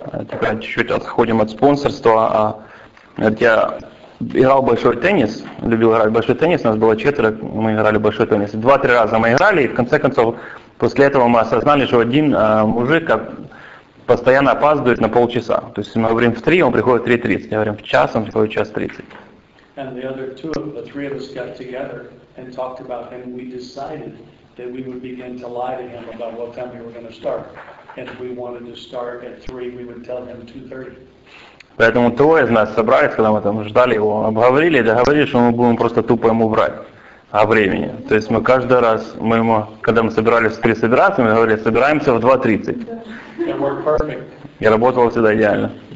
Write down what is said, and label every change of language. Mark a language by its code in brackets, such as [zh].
[ru] Теперь чуть-чуть отходим от спонсорства. Я играл большой теннис, любил играть большой теннис, у нас было 4, мы играли большой теннис. 2-3 раза мы играли, и в конце концов, после этого мы осознали, что один мужик постоянно опаздывает на полчаса. То есть мы говорим в 3, он приходит в 3:30. Я говорю, в час, он приходит в 1:30. [en] And the other two of the three of us got together and talked about him, and we decided that we would begin to lie to him about what time we were going to start. And if we wanted to start at 3, we would tell him 2:30. [ru] Поэтому трое из нас собрались, когда мы там ждали его, обговорили, договорились, что мы будем просто тупо ему врать о времени. То есть мы каждый раз, мы ему, когда мы собирались в 3 собираться, мы говорили, собираемся в 2:30. [en] And we're perfect. [ru] И работало всегда идеально.